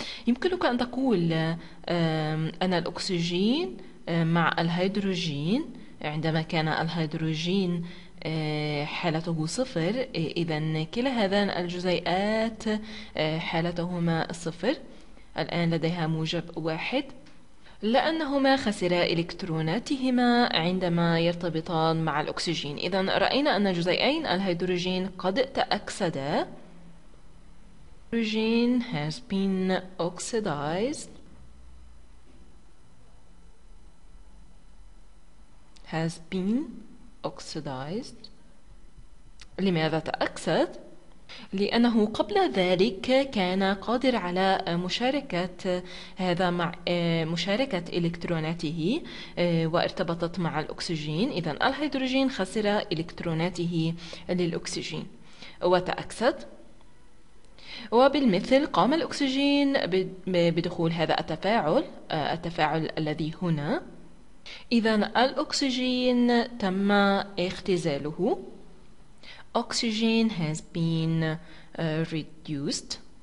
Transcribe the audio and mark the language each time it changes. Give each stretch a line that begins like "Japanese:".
Arabic: يمكنك أن تقول أن الأكسجين مع الهيدروجين، عندما كان الهيدروجين حالته صفر، إذا كلا هذان الجزيئات حالتهما صفر، الآن لديها موجب واحد لأنهما خسرا إلكتروناتهما عندما يرتبطان مع الأكسجين. إذا رأينا أن جزيئين الهيدروجين قد تأكسدا.
English: Hydrogen has been oxidized. Has been oxidized.
Arabic: لماذا تأكسد؟ لأنه قبل ذلك كان قادر على مشاركة هذا مع مشاركة إلكتروناته وارتبطت مع الأكسجين، إذا الهيدروجين خسر إلكتروناته للأكسجين وتأكسد، وبالمثل قام الأكسجين بدخول هذا التفاعل الذي هنا، إذا الأكسجين تم اختزاله.
English: Oxygen has been reduced.